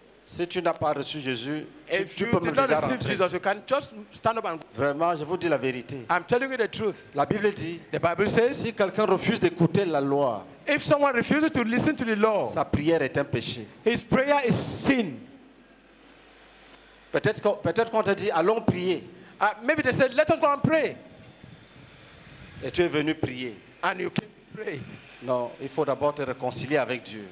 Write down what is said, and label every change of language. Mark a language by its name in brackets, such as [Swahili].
[French] si tu n'as pas reçu Jésus, tu peux me déjà rentrer. [English] If you did not receive Jesus, you can just stand up and. [French] Vraiment, je vous dis la vérité. [English] I'm telling you the truth. [French] La Bible dit. [English] The Bible says. [French] Si quelqu'un refuse d'écouter la loi, [English] if someone refuses to listen to the law, [French] sa prière est un péché. [English] His prayer is sin. [French] Peut-être qu'on te dit, allons prier. [English] Maybe they said, let us go and pray. [French] Et tu es venu prier. [English] And you came to pray. [French] Non, il faut d'abord te réconcilier avec Dieu.